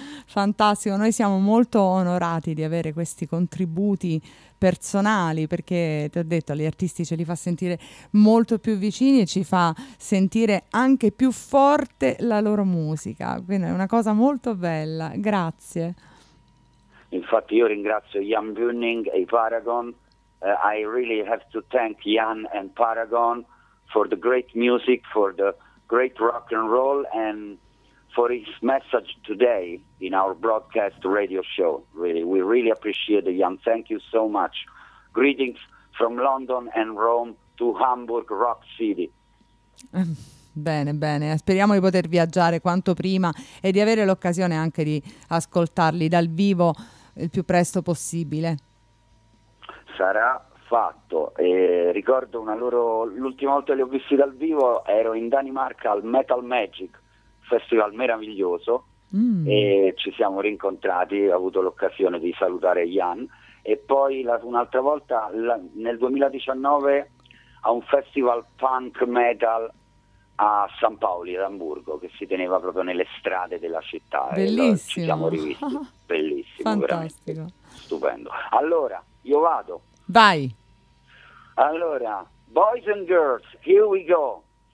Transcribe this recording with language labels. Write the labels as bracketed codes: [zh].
[it] Fantastico, noi siamo molto onorati di avere questi contributi personali, perché ti ho detto, gli artisti ce li fa sentire molto più vicini e ci fa sentire anche più forte la loro musica, quindi è una cosa molto bella, grazie. Infatti io ringrazio Jan Gunning e Paragon. [en] I really have to thank Jan and Paragon for the great music, for the great rock and roll, and for his message today in our broadcast radio show. Really, we really appreciate it, Jan. Thank you so much. Greetings from London and Rome to Hamburg Rock City. [it] Bene, bene. Speriamo di poter viaggiare quanto prima e di avere l'occasione anche di ascoltarli dal vivo il più presto possibile. Sarà fatto. E ricordo l'ultima volta che li ho visti dal vivo ero in Danimarca al Metal Magic, festival meraviglioso, e ci siamo rincontrati, ho avuto l'occasione di salutare Jan, e poi un'altra volta nel 2019 a un festival punk metal a San Paoli, ad Amburgo, che si teneva proprio nelle strade della città. Bellissimo. E ci siamo rivisti, bellissimo, fantastico, veramente stupendo. Allora, io vado. Vai. [en] Allora, boys and girls, here we go.